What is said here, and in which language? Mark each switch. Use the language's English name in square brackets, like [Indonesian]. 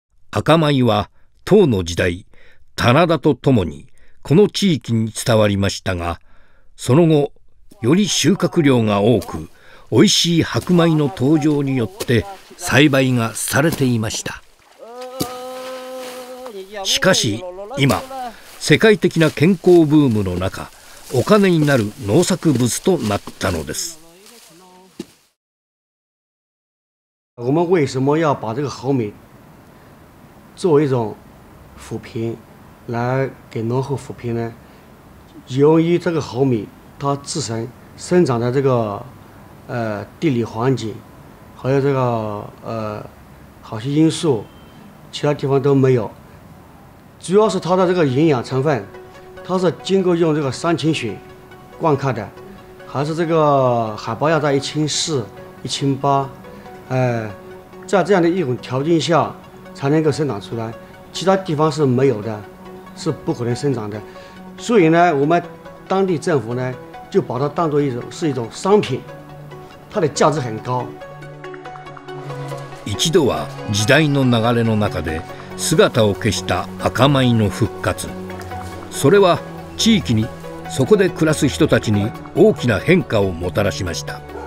[Japanese] 赤米は唐の時代棚田とともにこの地域に伝わりましたが、その後より収穫量が多く美味しい白米の登場によって栽培がされていました。しかし今世界的な健康ブームの中、お金になる農作物となったのです。 [Chinese] 我们为什么要把这个毫米作为一种扶贫来给农户扶贫呢？由于这个毫米它自身生长的这个地理环境还有这个好些因素其他地方都没有，主要是它的这个营养成分，它是经过用这个山泉水灌溉的，还是这个海拔要在1400-1800，在这样的一种条件下才能够生长出来，其他地方是没有的，是不可能生长的。所以呢，我们当地政府呢就把它当作一种是一种商品，它的价值很高。 [Japanese] 一度は時代の流れの中で姿を消した赤米の復活、それは地域にそこで暮らす人たちに大きな変化をもたらしました。